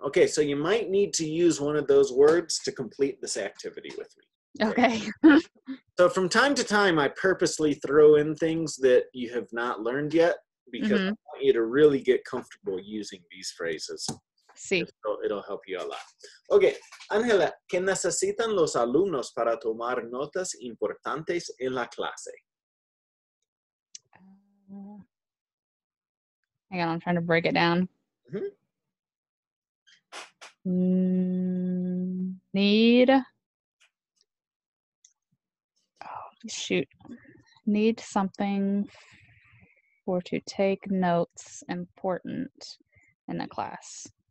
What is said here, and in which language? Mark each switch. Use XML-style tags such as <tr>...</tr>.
<en>Okay, so you might need to use one of those words to complete this activity with me. Okay. So from time to time, I purposely throw in things that you have not learned yet because I want you to really get comfortable using these phrases.</en> <es>Sí.</es> <en>It'll help you a lot.</en> <es>Okay, Ángela, ¿qué necesitan los alumnos para tomar notas importantes en la clase?</es> <en>Hang on, I'm trying to break it down. Need Shoot. Need something for to take notes important in the class.</en>